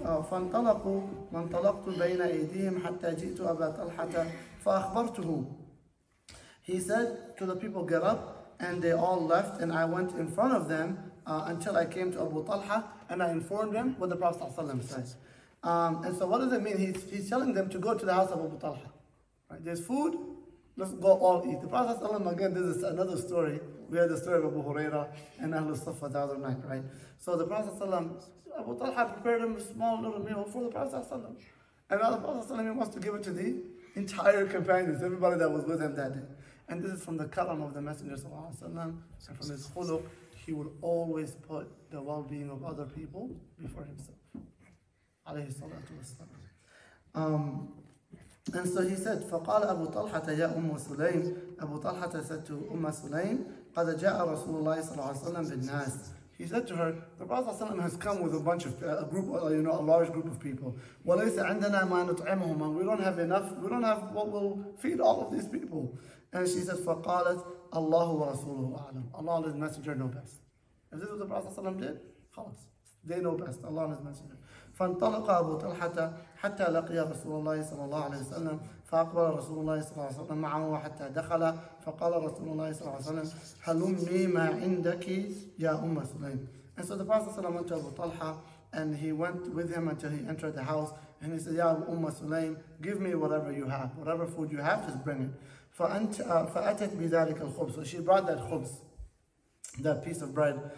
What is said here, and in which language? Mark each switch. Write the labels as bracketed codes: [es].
[ar] فانطلقوا وانطلقت بين أيديهم حتى جئت أبا طلحة فأخبرته. [en] He said to the people, get up. And they all left, and I went in front of them until I came to Abu Talha, and I informed him what the Prophet ﷺ says. And so what does it mean? He's telling them to go to the house of Abu Talha. Right? There's food, let's go all eat. The Prophet ﷺ, again, this is another story. We had the story of Abu Huraira and Ahlul Safa the other night, right? So the Prophet ﷺ, Abu Talha prepared him a small little meal for the Prophet ﷺ. And now the Prophet ﷺ, he wants to give it to the entire companions, everybody that was with him that day. And this is from the karam of the Messenger ﷺ, and from his khuluq, he would always put the well-being of other people before himself. Alayhi salatu wasalam. And so he said, [ar] فَقَالَ أَبُو طَلْحَةَ يَا أُمَّ سُلَيْمٍ. [en] Abu Talha said to Umm Sulaym, [ar] قَدْ جَاءَ رَسُولُ اللَّهِ صَلَّى اللَّهُ عَلَيْهِ وَسَلَّمَ بِالنَّاسِ. [en] He said to her, the Prophet ﷺ has come with a bunch of, a group, you know, a large group of people. [ar] وَلَيْسَ عَنْدَنَا مَا نُطْعِمُهُمَا. [en] We don't have enough, we don't have what will feed all of these people. And she said, [ar] فَقَالَتْ اللَّهُ وَرَسُولُهُ أَعْلَمُ. [en] Allah and His Messenger know best. If this is what the Prophet ﷺ did, خلاص. They know best, Allah and His Messenger. [ar] فَانْطَلَقَ أَبُو طَلْحَةَ حَتَّى لَقِيَ رَسُولَ اللَّهِ صَلَّى اللَّهُ عَلَيْهِ وَسَلَّمَ فأقبل رسول الله صلى الله عليه وسلم معه حتى دخل فقال رسول الله صلى الله عليه وسلم هل أمي ما عندك يا أم سليم. [en] And so the Prophet ﷺ went to Abu Talha, and he went with him until he entered the house, and he said, [ar] يا أم سليم, [en] give me whatever you have, whatever food you have, just bring it. [ar] فأتت بذلك الخبز. [en] So she brought that خبز, that piece of bread.